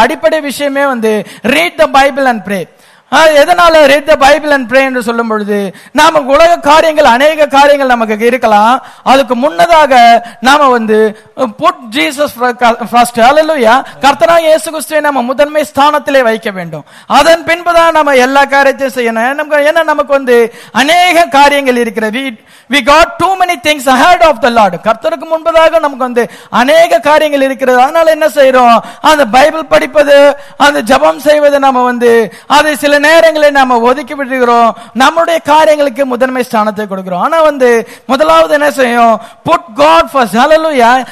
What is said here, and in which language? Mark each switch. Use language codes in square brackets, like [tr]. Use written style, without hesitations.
[ta] அடிப்படை விஷயமே வந்து [en] Read the Bible and pray. [ta] எதனால read the Bible and pray என்று சொல்லும் பொழுது, நாம உலக காரியங்கள் அநேக காரியங்கள் நமக்கு இருக்கலாம், அதுக்கு முன்னதாக நாம வந்து [en] Put Jesus first. [ta] ஹல்லேலூயா. கர்த்தராகிய இயேசு கிறிஸ்துவை நம்ம முதன்மை ஸ்தானத்திலே வைக்க வேண்டும். அதன் பின்புதான் நம்ம எல்லா காரியத்தையும் செய்யணும். ஏன்னா நமக்கு வந்து அநேக காரியங்கள் இருக்கிறது. [en] We got too many things ahead of the Lord. [ta] கர்த்தருக்கு முன்பதாக நமக்கு வந்து அநேக காரியங்கள் இருக்கிறது. அதனால என்ன செய்யறோம், அந்த பைபிள் படிப்பது, அந்த ஜபம் செய்வது, நம்ம வந்து அதை சில நேரங்களில் நாம ஒதுக்கி விடுகிறோம். நம்முடைய காரியங்களுக்கு முதன்மை ஸ்தானத்தை கொடுக்கிறோம். ஆனா வந்து முதலாவது என்ன செய்யும், [en] Put God first. [ta] ஹல்லேலூயா.